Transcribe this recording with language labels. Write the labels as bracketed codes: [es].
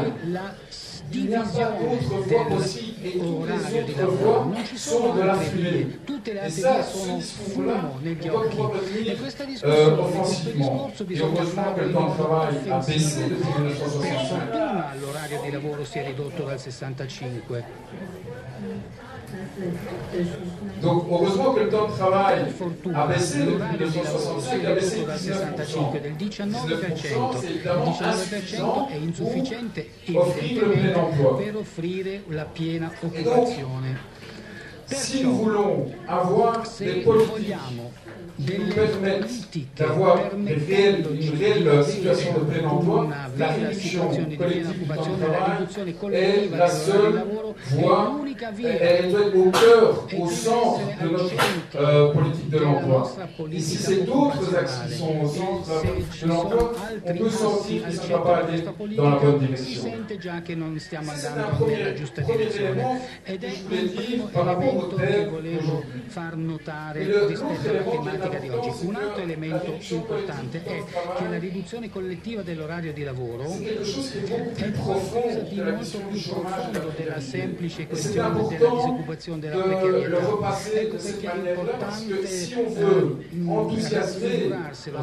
[it] la divisione del orario di lavoro, non ci sono altre vie, tutte le altre vie sono fumo negli occhi. E questa discorso bisogna fare offensivamente, per fortuna l'orario di lavoro si è ridotto dal 65. [fr] Donc, heureusement que le temps de travail a baissé depuis 1965, il a baissé de 19%. 19% c'est insuffisant pour offrir le plein emploi. [it] Per offrire la piena occupazione. [fr] Si nous voulons avoir des politiques qui nous permettent d'avoir une réelle situation de plein emploi, la réduction collective du temps de travail est la seule voie, elle doit être au cœur, au centre de notre politique de l'emploi. Et si c'est d'autres axes qui sont au centre de l'emploi, on peut sentir que ça ne va pas aller dans la bonne direction. C'est un premier élément que je voulais dire par rapport au thème d'aujourd'hui. [it] Far notare rispetto alla tematica di oggi. Un altro elemento importante è che la riduzione collettiva dell'orario di lavoro è qualcosa di molto più profondo della semplice questione della disoccupazione della precarietà. Ecco perché è importante assicurarselo.